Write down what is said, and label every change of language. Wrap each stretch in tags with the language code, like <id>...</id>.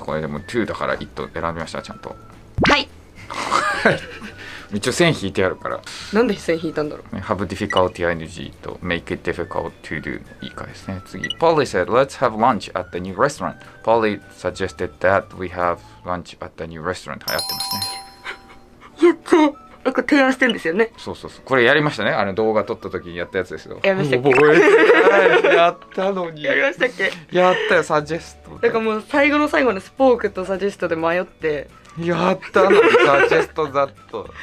<ja>これでも To だから It 選びました、ちゃんと。はい一応線引いてあるから。なんで線引いたんだろう。</ja> <en>Have difficulty ing</en> <ja>と</ja> <en>make it difficult to do</en> <ja>の言い換えですね。次</ja> <en>Polly said let's have lunch at the new restaurant. Polly suggested that we have lunch at the new restaurant.</en> <ja>流行ってますね。やった。これ提案してんですよね。そうそうそう、これやりましたね。あの動画撮った時にやったやつですよ。やりましたっけ。覚えてない。やったのに。やりましたっけ。やったよ、サジェスト。だからもう最後の最後のスポークとサジェストで迷って、やったのにサジェストザット</ja>